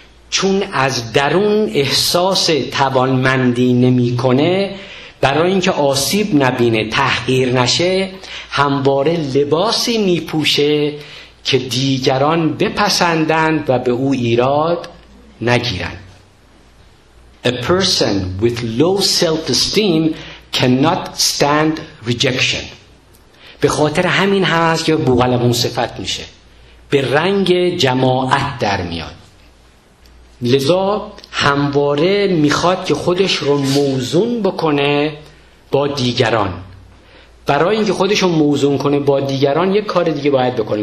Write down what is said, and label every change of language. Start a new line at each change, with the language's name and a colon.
Persian: چون از درون احساس توانمندی نمی کنه، برای اینکه آسیب نبینه، تحقیر نشه، همواره لباسی میپوشه که دیگران بپسندند و به او ایراد نگیرند.
English: A person with low self-esteem cannot stand rejection.
Persian: به خاطر همین هست که بوقلمون صفت میشه، به رنگ جماعت در میاد، لذا همواره میخواد که خودش رو موزون بکنه با دیگران. برای اینکه خودش رو موزون کنه با دیگران یک کار دیگه باید بکنه.